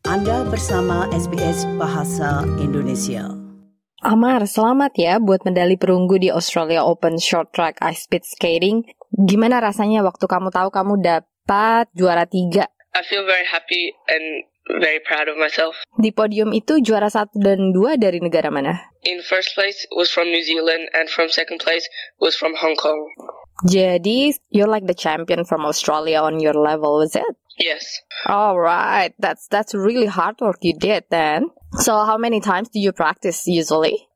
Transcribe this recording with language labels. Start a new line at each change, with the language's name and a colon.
Indonesian: Anda bersama SBS Bahasa Indonesia. Amar, selamat ya buat medali perunggu di Australia Open Short Track Ice Speed Skating. Gimana rasanya waktu kamu tahu kamu dapat juara 3?
English: I feel very happy and very proud of myself.
Indonesian: Di podium itu juara 1 dan 2 dari negara mana?
English: In first place was from New Zealand and from second place was from Hong Kong. Jadi, you're like the champion from Australia on your level, is it? Yes. Alright, that's really hard work you did then. So, how many times do you practice usually?